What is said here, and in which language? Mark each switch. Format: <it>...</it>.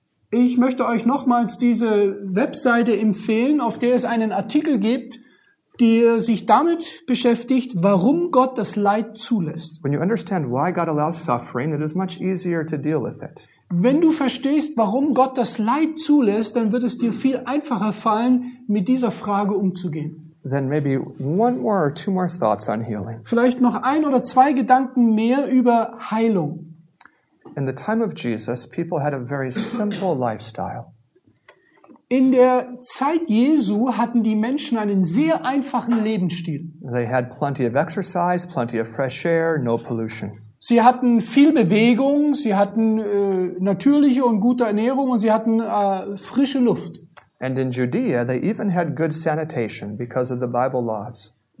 <de>Ich möchte euch nochmals diese Webseite empfehlen, auf der es einen Artikel gibt, der sich damit beschäftigt, warum Gott das Leid zulässt.</de> <en>When you understand why God allows suffering, it is much easier to deal with it.</en> <de>Wenn du verstehst, warum Gott das Leid zulässt, dann wird es dir viel einfacher fallen, mit dieser Frage umzugehen.</de> <en>Then maybe one more or two more thoughts on healing.</en> <de>Vielleicht noch ein oder zwei Gedanken mehr über Heilung.</de> <en>In the time of Jesus, people had a very simple lifestyle.</en> <de>In der Zeit Jesu hatten die Menschen einen sehr einfachen Lebensstil.</de> <en>They had plenty of exercise, plenty of fresh air, no pollution.</en> <de>Sie hatten viel Bewegung, sie hatten natürliche und gute Ernährung und sie hatten frische Luft.</de> <en>And in Judea they even had good sanitation because of the Bible laws.</en>